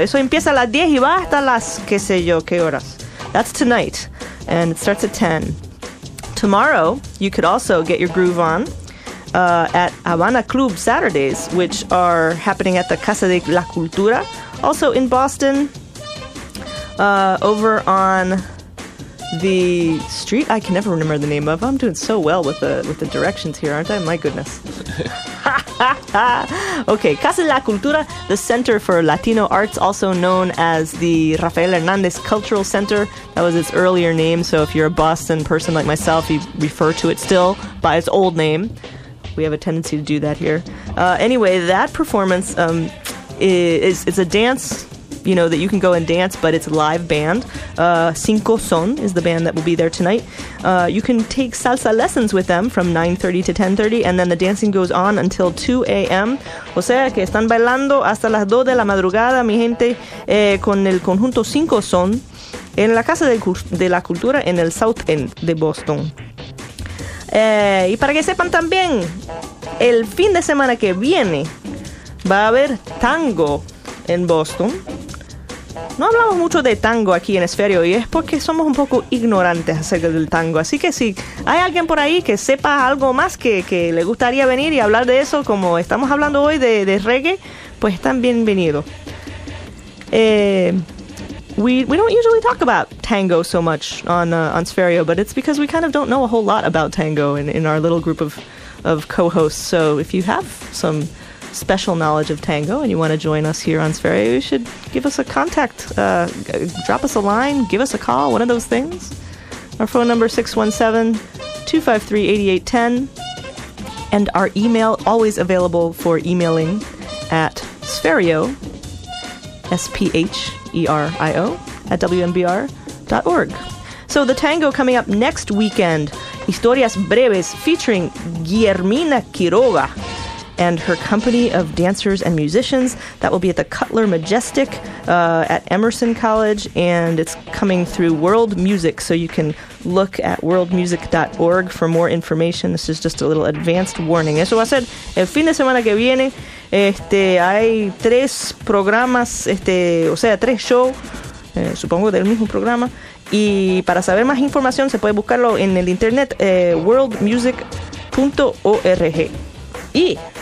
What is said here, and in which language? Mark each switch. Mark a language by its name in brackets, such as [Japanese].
[Spanish] Eso empieza a las 10 y va hasta las, qué sé yo, qué horas. [English] That's tonight. And it starts at 10. Tomorrow, you could also get your groove on at Havana Club Saturdays, which are happening at the Casa de la Cultura, also in Boston, over on... the street I can never remember the name of. I'm doing so well with the directions here, aren't I? My goodness. Okay, Casa de la Cultura, the Center for Latino Arts, also known as the Rafael Hernandez Cultural Center. That was its earlier name, so if you're a Boston person like myself, you refer to it still by its old name. We have a tendency to do that here. Anyway, that performance is a dance... you know, that you can go and dance, but it's a live band. Cinco Son is the band that will be there tonight. You can take salsa lessons with them from 9:30 to 10:30, and then the dancing goes on until 2 a.m. [Spanish] O sea, que están bailando hasta las 2 de la madrugada, mi gente, con el conjunto Cinco Son, en la Casa de la Cultura, en el South End de Boston. Y para que sepan también, el fin de semana que viene va a haber tango en Boston. No hablamos mucho de tango aquí en Esferio y es porque somos un poco ignorantes acerca del tango. Así que si hay alguien por ahí que sepa algo más que le gustaría venir y hablar de eso, como estamos hablando hoy de reggae, pues están bienvenidos. [English] We don't usually talk about tango so much on Esferio, but it's because we kind of don't know a whole lot about tango in our little group of co-hosts. So if you have some... special knowledge of tango and you want to join us here on Sferio, you should give us a contact, drop us a line, give us a call, one of those things. Our phone number 617-253-8810, and our email always available for emailing at Sferio, Sferio, at WMBR.org. So the tango coming up next weekend, Historias Breves, featuring Guillermina Quiroga and her company of dancers and musicians. That will be at the Cutler Majestic at Emerson College, and it's coming through World Music, so you can look at worldmusic.org for more information. This is just a little advanced warning. [Spanish] Eso va a ser el fin de semana que viene. Hay tres programas, o sea, tres shows, supongo del mismo programa, y para saber más información se puede buscarlo en el internet worldmusic.org. Y...